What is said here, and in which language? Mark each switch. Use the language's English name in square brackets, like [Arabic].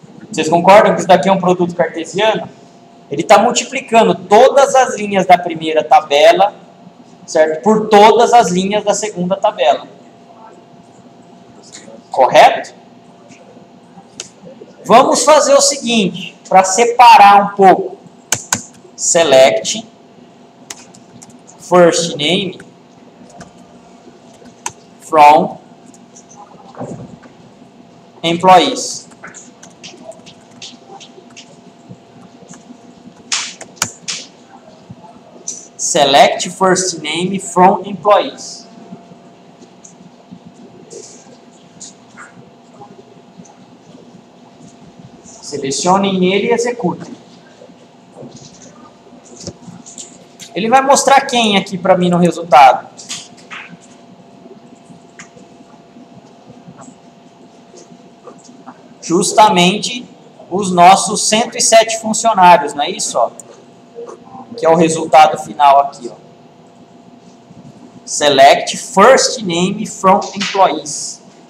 [Portuguese] Vocês concordam que isso daqui é um produto cartesiano? Ele está multiplicando todas as linhas da primeira tabela, certo? Por todas as linhas da segunda tabela. Correto? Vamos fazer o seguinte, para separar um pouco. [English] Select first name from employees. Select first name from employees. [Portuguese] Selecione ele e execute. Ele vai mostrar quem aqui para mim no resultado. Justamente os nossos 107 funcionários, não é isso? Que é o resultado final aqui. [English] Select first name from employees.